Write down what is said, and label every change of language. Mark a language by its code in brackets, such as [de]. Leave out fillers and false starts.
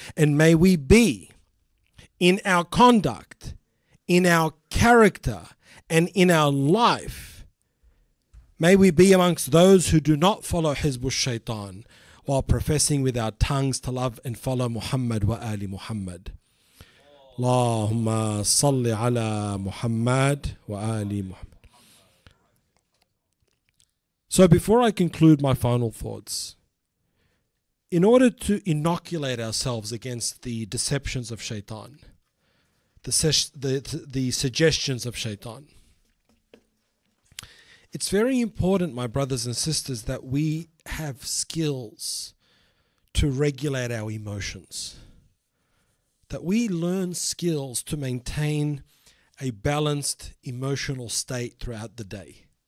[en] And may we be, in our conduct, in our character, and in our life, may we be amongst those who do not follow Hizb al-Shaytan while professing with our tongues to love and follow Muhammad wa Ali Muhammad. [ar] اللهم صل على محمد وآل محمد. [en] So before I conclude my final thoughts, in order to inoculate ourselves against the deceptions of Shaitan, the suggestions of Shaitan, it's very important, my brothers and sisters, that we have skills to regulate our emotions, that we learn skills to maintain a balanced emotional state throughout the day.